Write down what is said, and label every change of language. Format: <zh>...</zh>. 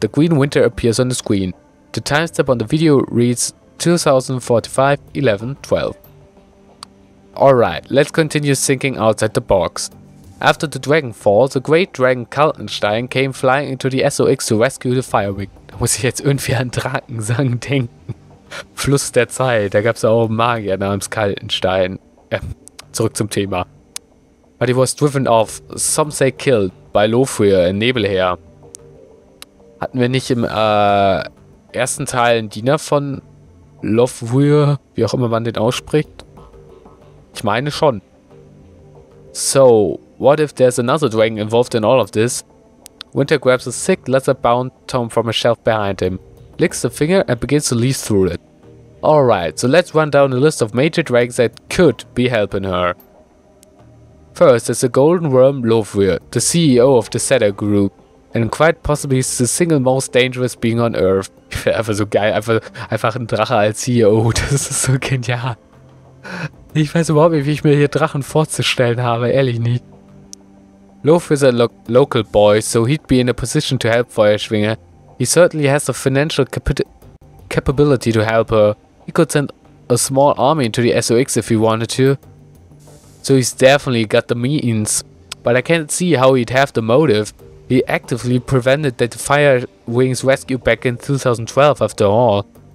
<en>The green Winter appears on the screen. The timestamp on the video reads 2045 11 12. Alright, let's continue thinking outside the box. After the dragon falls, the great dragon Kaltenstein came flying into the SOX to rescue the fire victim.</en> <de>Muss ich jetzt irgendwie an Drakensang denken? Fluss der Zeit, da gab's auch Magier namens Kaltenstein. Zurück zum Thema. But he was driven off, some say killed, by Lothria, ein Nebelheer. Hatten wir nicht im ersten Teil einen Diener von Lothria, wie auch immer man den ausspricht? Ich meine schon.</de> <en>So, what if there's another dragon involved in all of this? Winter grabs a sick leather-bound tome from a shelf behind him, licks the finger and begins to leaf through it. Alright, so let's run down a list of major dragons that could be helping her. First is the golden worm Lofvir, the CEO of the Seta Group, and quite possibly the single most dangerous being on Earth.</en> <de>Ich finde einfach so geil, einfach ein Drache als CEO, das ist so genial. Ich weiß überhaupt nicht, wie ich mir hier Drachen vorzustellen habe, ehrlich nicht.</de> <en>Lofvir is a local boy, so he'd be in a position to help Feuerschwinger. He certainly has the financial capability to help her. He could send a small army into the SOX if he wanted to. So he's definitely got the means, but I can't see how he'd have the motive. He actively prevented that Fire Wings rescue back in 2012 after all.</en>